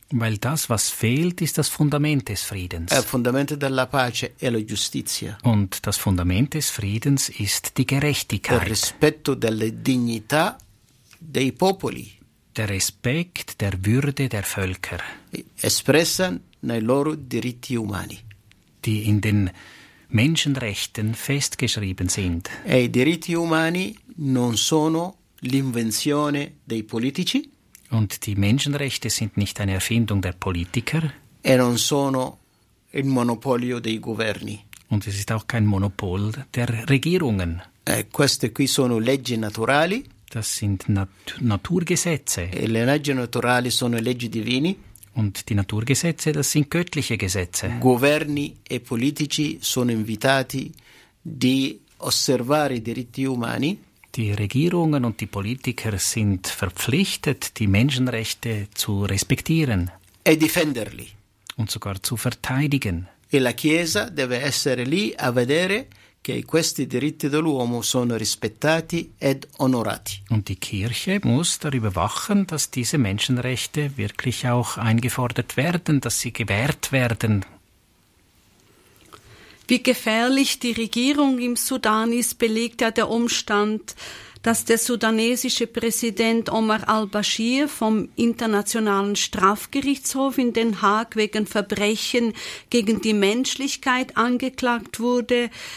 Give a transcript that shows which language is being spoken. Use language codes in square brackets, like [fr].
[de] Weil das, was fehlt, ist das Fundament des Friedens. [it] Il fondamento della pace è la giustizia. [de] Und das Fundament des Friedens ist die Gerechtigkeit. [it] Il rispetto della dignità dei popoli. [de] Der Respekt der Würde der Völker. [it] Espressa nei loro diritti umani. [de] Die in den Menschenrechten festgeschrieben sind. [it] E i diritti umani non sono l'invenzione dei politici. [de] Und die Menschenrechte sind nicht eine Erfindung der Politiker. [it] E non sono il monopolio dei governi. [de] Und es ist auch kein Monopol der Regierungen. [it] E queste qui sono leggi naturali. [de] Das sind Naturgesetze. [it] E le leggi naturali sono leggi divini. [de] Und die Naturgesetze, das sind göttliche Gesetze. [it] Governi e politici sono invitati di osservare i diritti umani. [de] Die Regierungen und die Politiker sind verpflichtet, die Menschenrechte zu respektieren. [it] E difenderli. [de] Und sogar zu verteidigen. [it] E la Chiesa deve essere lì a vedere che questi diritti dell'uomo sono rispettati ed onorati. [de] Und die Kirche muss darüber wachen, dass diese Menschenrechte wirklich auch eingefordert werden, dass sie gewährt werden. Wie gefährlich die Regierung im Sudan ist, belegt ja der Umstand, dass der sudanesische Präsident Omar al-Bashir vom Internationalen Strafgerichtshof in Den Haag wegen Verbrechen gegen die Menschlichkeit angeklagt wurde.